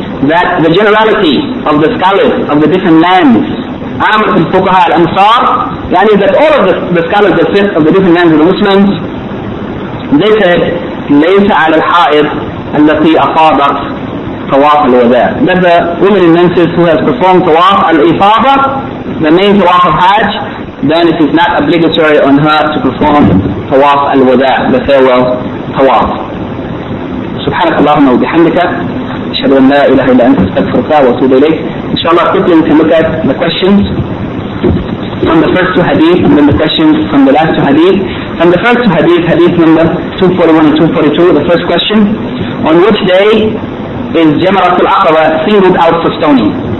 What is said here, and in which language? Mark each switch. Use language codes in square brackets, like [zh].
[en] that the generality of the scholars of the different lands, Amr al-Fuqaha al-Ansar, that is that all of the scholars of fiqh of the different lands of the Muslims, they said, [ar] لَيْسَ عَلَى الْحَائِضِ الَّتِي أَفَاضَتْ طَوَافَ الْوَدَاءِ, [en] that the woman in Memphis who has performed tawaf al-ifada, the main tawaf of Hajj, then it is not obligatory on her to perform tawaf al-wada', the farewell tawaf. [ar] سبحانك اللهم وبحمدك أشهد أن لا إله إلا أنت أستغفرك وأتوب إليك. إن شاء الله [en] quickly we can look at the questions from the first two hadith and then the questions from the last two hadith. From the first two hadith, hadith number 241 and 242, the first question, on which day is Jamarat al-Aqaba singled out for stoning?